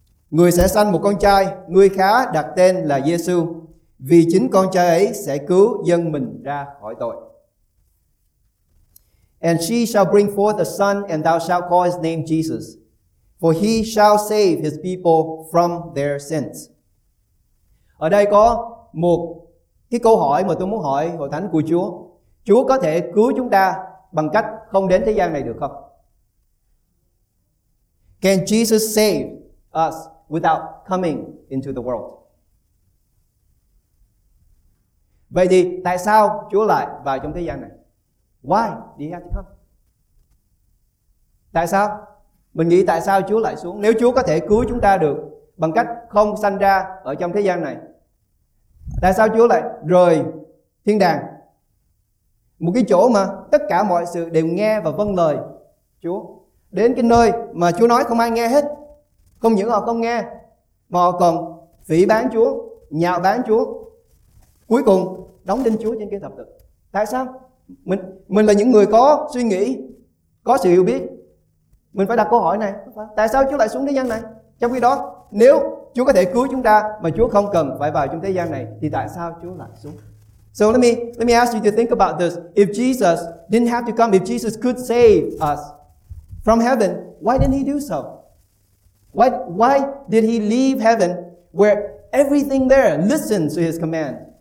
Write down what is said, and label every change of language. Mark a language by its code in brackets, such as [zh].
[vi] Người sẽ sanh một con trai, ngươi khá đặt tên là Jêsus, vì chính con trai ấy sẽ cứu dân mình ra khỏi tội. [en] And she shall bring forth a son, and thou shalt call his name Jesus, for he shall save his people from their sins. [vi] Ở đây có một cái câu hỏi mà tôi muốn hỏi Hội Thánh của Chúa. Chúa có thể cứu chúng ta bằng cách không đến thế gian này được không? [en] Can Jesus save us without coming into the world? [vi] Vậy thì tại sao Chúa lại vào trong thế gian này? [en] Why did he have to come? [vi] Tại sao? Mình nghĩ tại sao Chúa lại xuống? Nếu Chúa có thể cứu chúng ta được bằng cách không sanh ra ở trong thế gian này, tại sao Chúa lại rời thiên đàng? Một cái chỗ mà tất cả mọi sự đều nghe và vâng lời Chúa. Đến cái nơi mà Chúa nói không ai nghe hết. Không những họ không nghe, mà họ còn phỉ báng Chúa, nhạo báng Chúa, cuối cùng đóng đinh Chúa trên cây thập tự. Tại sao? Mình là những người có suy nghĩ, có sự hiểu biết. Mình phải đặt câu hỏi này. Tại sao Chúa lại xuống thế gian này? Trong khi đó, nếu Chúa có thể cứu chúng ta mà Chúa không cần phải vào trong thế gian này, thì tại sao Chúa lại xuống? [en] So let me ask you to think about this. If Jesus didn't have to come, if Jesus could save us from heaven, why didn't he do so? Why did he leave heaven where everything there listens to his command?